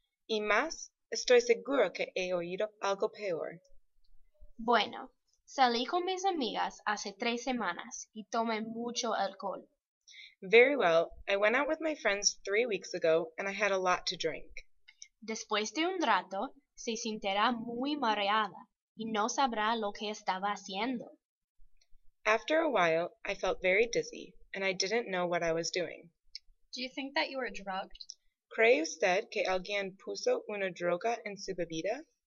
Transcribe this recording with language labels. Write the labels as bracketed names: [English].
[Spanish] Y más, estoy seguro que he oído algo peor. Bueno, salí con mis amigas hace 3 semanas y tomé mucho alcohol. [English] Very well. I went out with my friends 3 weeks ago and I had a lot to drink. [Spanish] Después de un rato, se sentirá muy mareada y no sabrá lo que estaba haciendo. [English] After a while, I felt very dizzy and I didn't know what I was doing. Do you think that you were drugged? [Spanish] ¿Cree usted que alguien puso una droga en su bebida?